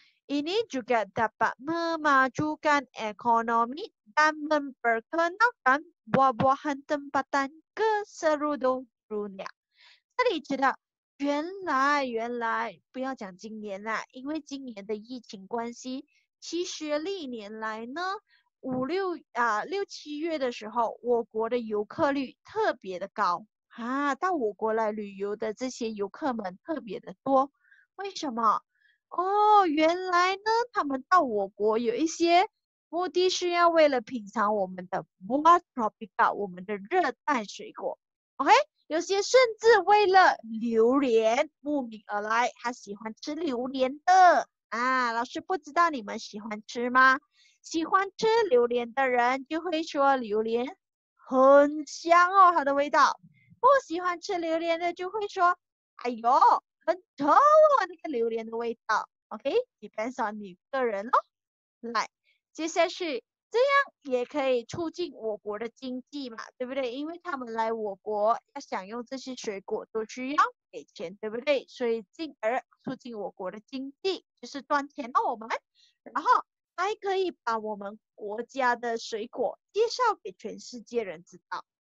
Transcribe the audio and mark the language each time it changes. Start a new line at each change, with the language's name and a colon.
Malay: Ini juga dapat memajukan ekonomi dan memperkenalkan buah-buahan tempatan ke seluruh dunia.
Chinese: 这里知道，原来不要讲今年啦，因为今年的疫情关系，其实历年来呢，六七月的时候，我国的游客率特别的高啊，到我国来旅游的这些游客们特别的多。为什么？哦，原来呢，他们到我国有一些目的是要为了品尝我们的 tropical， 我们的热带水果。 OK， 有些甚至为了榴莲慕名而来，他喜欢吃榴莲的啊。老师不知道你们喜欢吃吗？喜欢吃榴莲的人就会说榴莲很香哦，它的味道。不喜欢吃榴莲的就会说，哎呦，很臭哦，那个榴莲的味道。 OK，
English: depends on
Chinese: 你个人咯。来，接下来是这样也可以促进我国的经济嘛，对不对？因为他们来我国要享用这些水果都需要给钱，对不对？所以进而促进我国的经济，就是赚钱了我们。然后还可以把我们国家的水果介绍给全世界人知道。